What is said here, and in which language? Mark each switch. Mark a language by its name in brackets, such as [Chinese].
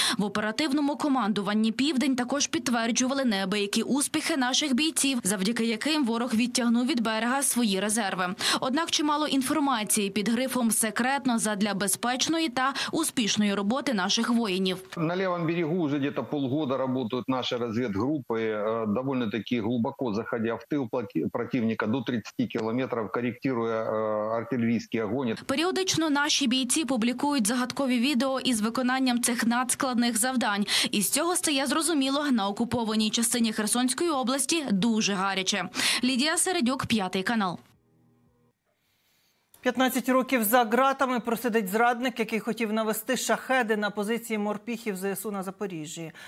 [Ukrainian] В оперативному командуванні «Південь» також підтверджували неабиякі успіхи наших бійців, завдяки яким ворог відтягнув від берега свої резерви. Однак чимало інформації під грифом «Секретно» задля безпечної та успішної роботи наших воїнів. [Russian] На Левом берегу уже где-то полгода работают наши разведгруппы, довольно-таки глубоко заходя в тыл противника до 30 кілометрів, корректируя артилерійський огонь. [Ukrainian] Періодично наші бійці публікують загадкові відео із виконанням цих надскладних завдань. І з цього стає зрозуміло, на окупованій частині Херсонської області дуже гаряче. Лідія Середюк, П'ятий канал. 15 років за ґратами просидить зрадник, який хотів навести шахеди на позиції морпіхів ЗСУ на Запоріжжі.